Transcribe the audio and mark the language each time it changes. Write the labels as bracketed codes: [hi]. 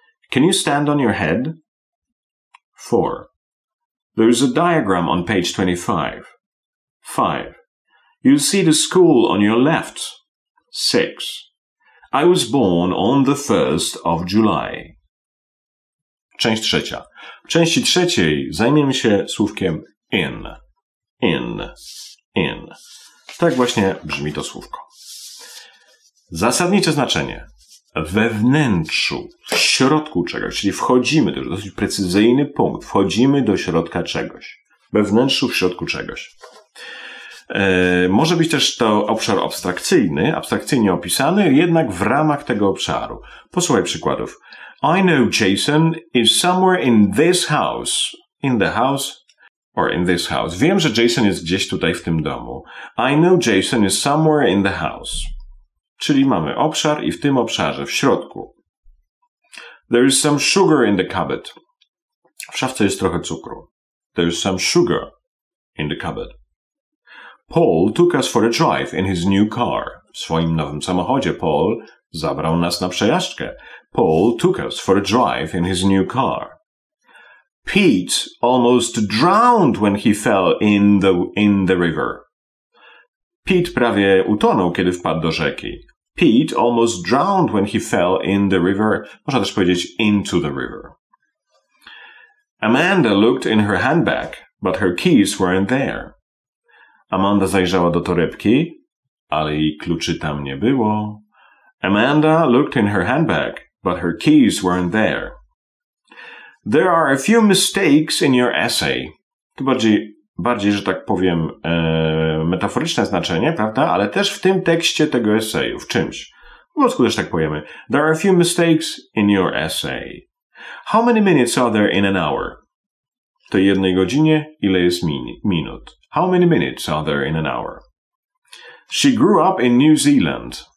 [en] Can you stand on your head? 4. There is a diagram on page 25. 5. You see the school on your left. 6. I was born on the 1st of July. [pl] Część trzecia. W części trzeciej zajmiemy się słówkiem in. In. In. Tak właśnie brzmi to słówko. Zasadnicze znaczenie. We wnętrzu, w środku czegoś, czyli wchodzimy, to już dosyć precyzyjny punkt, wchodzimy do środka czegoś. We wnętrzu, w środku czegoś. Może być też to obszar abstrakcyjny, abstrakcyjnie opisany, jednak w ramach tego obszaru. Posłuchaj przykładów. [en] I know Jason is somewhere in this house. In the house or in this house. [pl] Wiem, że Jason jest gdzieś tutaj w tym domu. [en] I know Jason is somewhere in the house. [pl] Czyli mamy obszar i w tym obszarze, w środku. [en] There is some sugar in the cupboard. [pl] W szafce jest trochę cukru. [en] There is some sugar in the cupboard. Paul took us for a drive in his new car. [pl] W swoim nowym samochodzie Paul zabrał nas na przejażdżkę. [en] Paul took us for a drive in his new car. Pete almost drowned when he fell in the river. [pl] Pete prawie utonął, kiedy wpadł do rzeki. [en] Pete almost drowned when he fell in the river. [pl] Można też powiedzieć [en] into the river. Amanda looked in her handbag, but her keys weren't there. [pl] Amanda zajrzała do torebki, ale jej kluczy tam nie było. [en] Amanda looked in her handbag, but her keys weren't there. There are a few mistakes in your essay. [pl] To bardziej, że tak powiem, metaforyczne znaczenie, prawda? Ale też w tym tekście tego eseju, w czymś. W polsku też tak powiemy. [en] There are a few mistakes in your essay. How many minutes are there in an hour? [pl] W tej jednej godzinie ile jest minut? [en] How many minutes are there in an hour? She grew up in New Zealand.